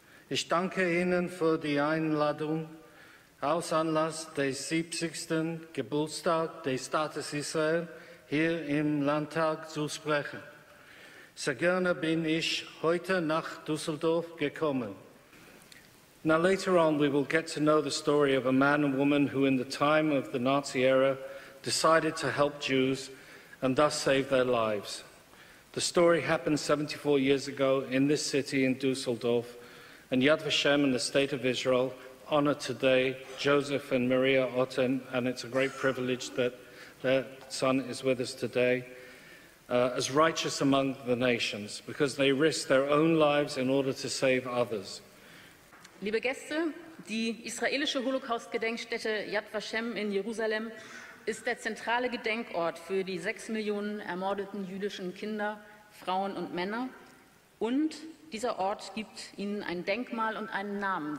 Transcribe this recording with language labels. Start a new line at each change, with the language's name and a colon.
German: Ich danke Ihnen für die Einladung aus Anlass des 70. Geburtstag des Staates Israel hier im Landtag zu sprechen. Sehr gerne bin ich heute nach Düsseldorf gekommen.
English: Now later on we will get to know the story of a man and woman who in the time of the Nazi era decided to help Jews and thus save their lives. The story happened 74 years ago in this city in Düsseldorf, and Yad Vashem and the State of Israel honor today Joseph and Maria Otten, and it's a great privilege that their son is with us today. As righteous among the nations, because they risk their own lives in order to save others.
German: Liebe Gäste, die israelische Holocaust-Gedenkstätte Yad Vashem in Jerusalem ist der zentrale Gedenkort für die 6 Millionen ermordeten jüdischen Kinder, Frauen und Männer. Und dieser Ort gibt ihnen ein Denkmal und einen Namen.